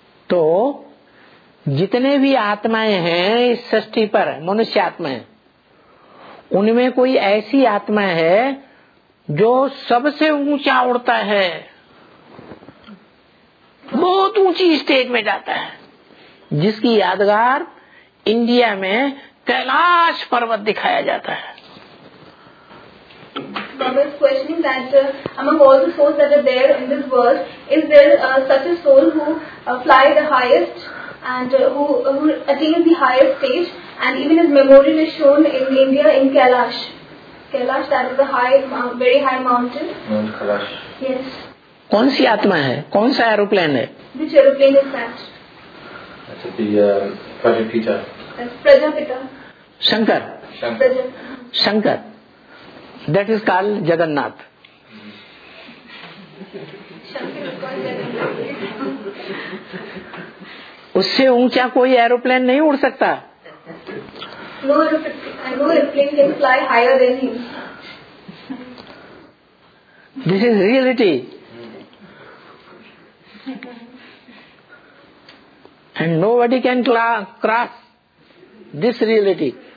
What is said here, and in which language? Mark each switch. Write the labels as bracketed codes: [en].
[hi] तो जितने भी आत्माएं हैं इस सृष्टि पर मनुष्य आत्मा है उनमें कोई ऐसी आत्मा है जो सबसे ऊंचा उड़ता है, बहुत ऊंची स्टेज में जाता है, जिसकी यादगार इंडिया में कैलाश पर्वत दिखाया जाता है। [en] Baba's questioning that among all the souls that are there in this world, is there such a soul who fly the highest and who attains the highest stage? And even his memorial is shown in India in Kailash. Kailash, that is the high, very high mountain. Kailash. Yes. [hi] कौन सी आत्मा है? कौन सा aeroplane है? [en] Which aeroplane is that? That's the Prajapita. Prajapita. Shankar. Shankar. Shankar. That is called Jagannath. [hi] उससे ऊंचा कोई aeroplane नहीं उड़ सकता। [en] No aeroplane can fly higher than him. This is reality. And nobody can cross this reality.